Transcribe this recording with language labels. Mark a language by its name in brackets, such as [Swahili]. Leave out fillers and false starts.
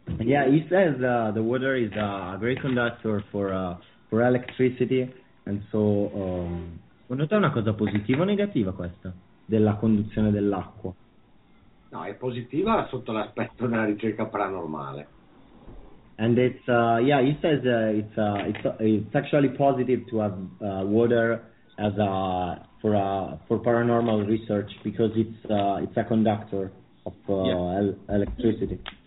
[English] Yeah, he says the water is a great conductor for electricity, and so. [Italian] Secondo te è una cosa positiva o negativa questa della conduzione dell'acqua? No, è positiva sotto l'aspetto della ricerca paranormale. [English] And it's he says it's actually positive to have water as a for paranormal research, because it's a conductor of electricity.